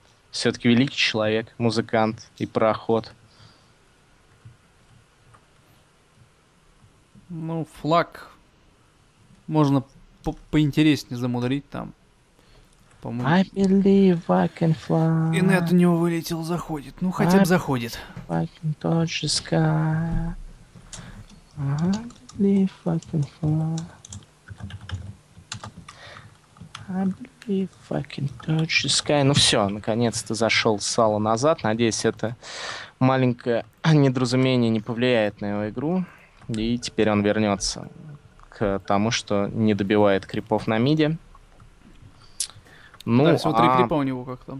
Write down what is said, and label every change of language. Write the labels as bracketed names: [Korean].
[Russian] Все-таки великий человек, музыкант и пароход. Ну, флаг можно... поинтереснее замудрить там. По-моему. [English] I believe I can fly. [Russian] Инет у него вылетел, заходит. Ну, хотя бы заходит. [English] I can touch the sky. I believe I can fly. I believe I can touch the sky. [Russian] Ну все, наконец-то зашел Сало назад. Надеюсь, это маленькое недоразумение не повлияет на его игру. И теперь он вернется к тому, что не добивает крипов на миде. Ну, да, смотри, крипа у него как-то.